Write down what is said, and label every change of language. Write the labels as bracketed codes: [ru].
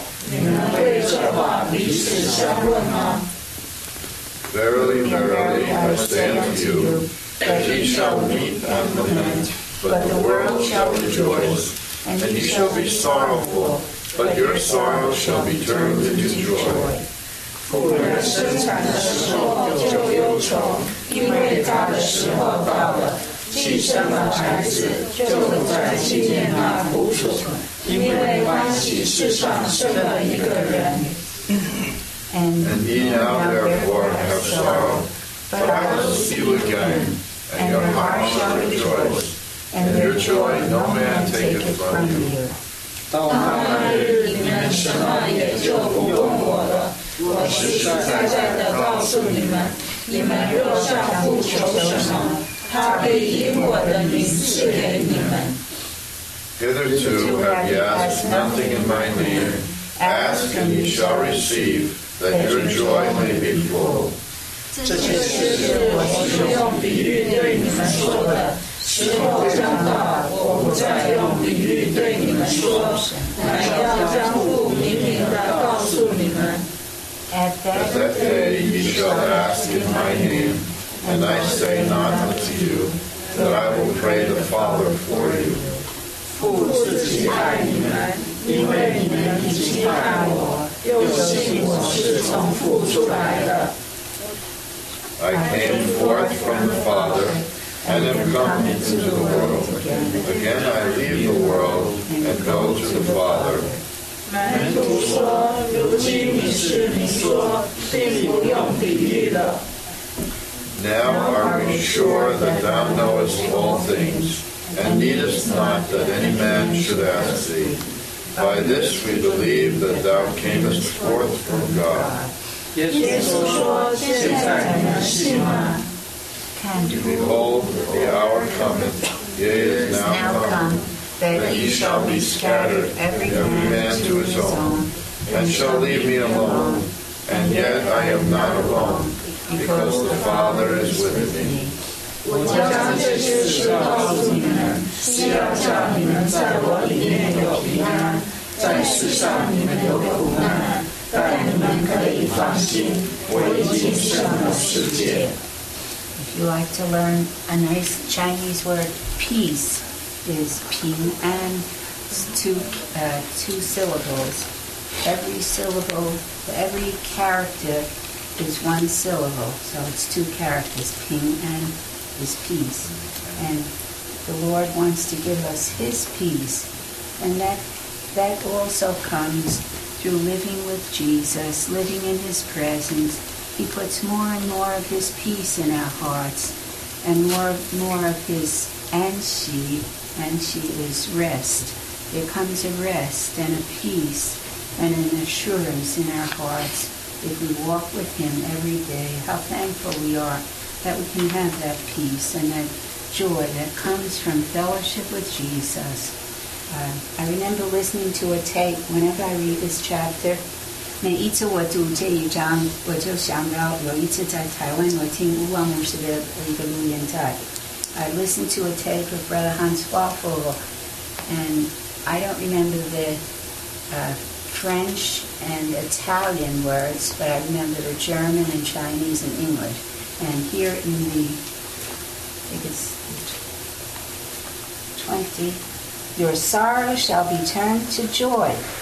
[zh] 耶稣看出他们要问他，就说：“我说等不多时，你们就不得见我；再等不多时，你们还要见我。你们对这话彼此相问吗？” [en] Verily, verily, I say unto you, that he shall weep and lament, but the world shall rejoice, and he shall be sorrowful, but your sorrow shall be turned into joy. [zh] 妇人生产的时候就忧愁，因为她的时候到了，既生了孩子，就不再纪念那苦楚，因为欢喜世上生了一个人。 [en] And ye now therefore have sorrow, but I will see you again, and your heart shall rejoice, and your joy no man taketh from you. [zh] 到那日，你们什么也就不问我了。实实在在地告诉你们，你们若向父求什么，他必以我的名赐给你们。 [en] Hitherto have ye asked nothing in my name. Ask and ye shall receive, that your joy may be full. [zh] 这些事是我是用比喻对你们说的，时候将到，我不再用比喻对你们说，乃要将父明明地告诉你们。 [en] At that day ye shall ask in my name, and I say not unto you, that I will pray the Father for you. [zh] 父自己爱你们，因为你们已经爱我，又信我是从父出来的。 [en] I came forth from the Father, and am come into the world. Again I leave the world, and go to the Father. [zh] 门徒说，如今你是你说，并不用比喻的。 [en] Now are we sure that thou knowest all things? And needest not that any man should ask thee. By this we believe that thou camest forth from God. [zh] 耶稣说，现在你们信吗？ [en] Behold, the hour cometh, yea, it is now come, that ye shall be scattered, every man to his own, and shall leave me alone, and yet I am not alone, because the Father is with me. [zh] 我将这些事告诉你们，是要叫你们在我里面有平安，在世上你们有苦难，但你们可以放心，我已经胜了世界。 [en] If you like to learn a nice Chinese word, peace is 平安, two syllables. Every syllable, every character is one syllable, so it's two characters, 平安. His peace, and the Lord wants to give us His peace, and that also comes through living with Jesus, living in His presence. He puts more and more of His peace in our hearts, and more of His anshi is rest. There comes a rest and a peace and an assurance in our hearts if we walk with Him every day. How thankful we are. That we can have that peace and that joy that comes from fellowship with Jesus. I remember listening to a tape whenever I read this chapter. [zh] 每一次我读这一章，我就想到有一次在台湾，我听乌旺牧师的一个录音带。 [en] I listened to a tape of Brother Hans Waffle, and I don't remember the French and Italian words, but I remember the German and Chinese and English. And here in the, I think it's 20, your sorrow shall be turned to joy.